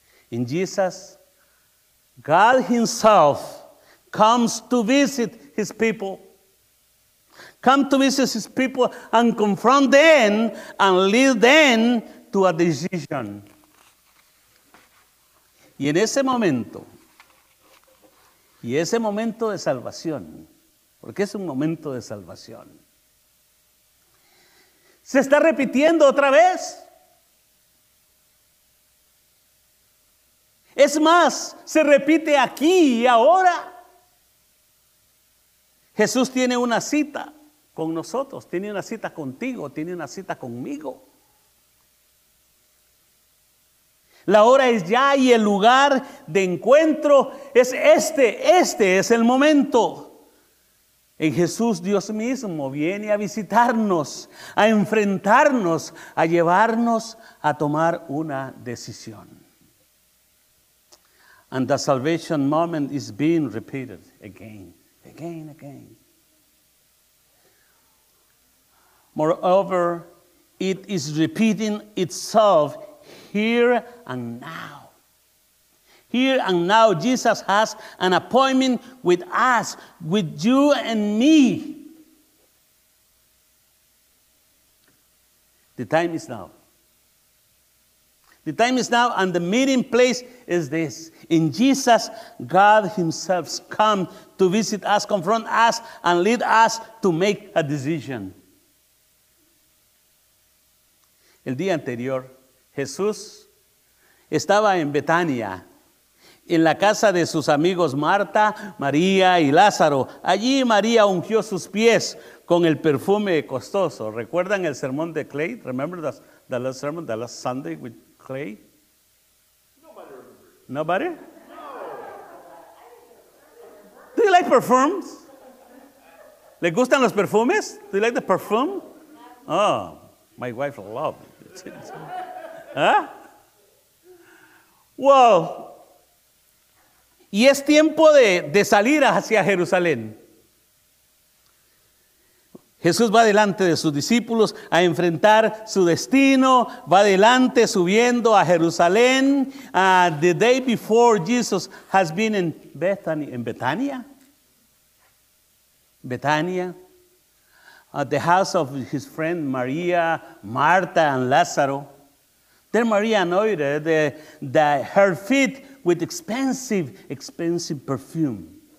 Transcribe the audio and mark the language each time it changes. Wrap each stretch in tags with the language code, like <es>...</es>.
<en>In Jesus, God himself comes to visit his people. Come to visit his people and confront them and lead them to a decision.</en> <es>Y en ese momento, y ese momento de salvación, porque es un momento de salvación, se está repitiendo otra vez. Es más, se repite aquí y ahora. Jesús tiene una cita con nosotros, tiene una cita contigo, tiene una cita conmigo. La hora es ya y el lugar de encuentro es este. Este es el momento. En Jesús, Dios mismo viene a visitarnos, a enfrentarnos, a llevarnos a tomar una decisión.</es> <en>And the salvation moment is being repeated again, again, again. Moreover, it is repeating itself here and now. Here and now, Jesus has an appointment with us, with you and me. The time is now. The time is now, and the meeting place is this. In Jesus, God himself comes to visit us, confront us, and lead us to make a decision.</en> <es>El día anterior, Jesús estaba en Betania, en la casa de sus amigos Marta, María y Lázaro. Allí María ungió sus pies con el perfume costoso. ¿Recuerdan el sermón de Clay?</es> <en>Remember the last sermon, the last Sunday with Clay? Nobody? No. Do you like perfumes?</en> <es>¿Le gustan los perfumes?</es> <en>Do you like the perfume? Oh, my wife loves it. ¿Ah? Wow.</en> <es>Y es tiempo de salir hacia Jerusalén. Jesús va delante de sus discípulos a enfrentar su destino. Va delante subiendo a Jerusalén.</es> <en>The day before Jesus has been in Bethany, in Betania. Betania. At the house of his friend Maria, Marta and Lázaro. Then Maria anointed her feet with expensive, expensive perfume.</en>